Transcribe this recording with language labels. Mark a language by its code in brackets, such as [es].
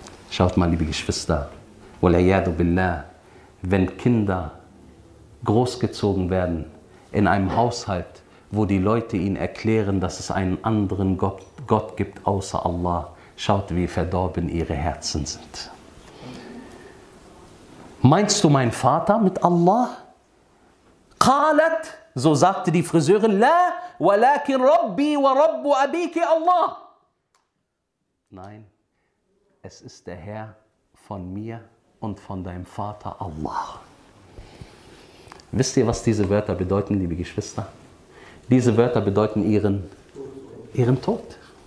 [de] Schaut mal, liebe Geschwister, [ar] وَلَيَّادُ بِاللَّهِ, [de] wenn Kinder großgezogen werden in einem Haushalt, wo die Leute ihnen erklären, dass es einen anderen Gott gibt außer Allah, schaut, wie verdorben ihre Herzen sind. Meinst du meinen Vater mit Allah? [ar] قَالَتْ, [de] so sagte die Friseurin, [ar] لَا وَلَكِنْ رَبِّي وَرَبُّ أَبِيكِ اللَّهِ. [de] Nein, es ist der Herr von mir und von deinem Vater Allah. Wisst ihr, was diese Wörter bedeuten, liebe Geschwister? Diese Wörter bedeuten ihren Tod.